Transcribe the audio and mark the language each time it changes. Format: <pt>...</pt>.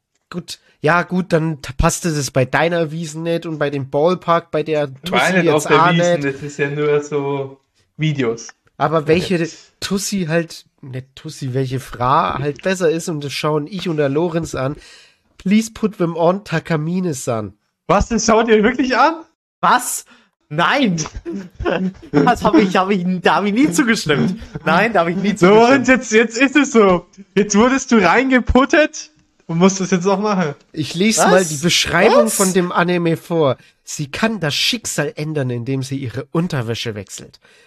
<de>Gut, dann passte das bei deiner Wiesn nicht und bei dem Ballpark, bei der Tussi meine jetzt auch nicht. Das ist ja nur so Videos. Aber welche jetzt. Tussi halt, nicht Tussi, welche Fra halt besser ist und das schauen ich und der Lorenz an.</de> <en>Please put them on Takamine-san.</en> <de>Was, das schaut ihr wirklich an? Was? Nein! Das hab ich nie zugestimmt. Nein, da habe ich nie zugestimmt. Lorenz, jetzt ist es so. Jetzt wurdest du reingeputtet. Du musst das jetzt auch machen. Ich lese mal die Beschreibung von dem Anime vor. Sie kann das Schicksal ändern, indem sie ihre Unterwäsche wechselt.</de>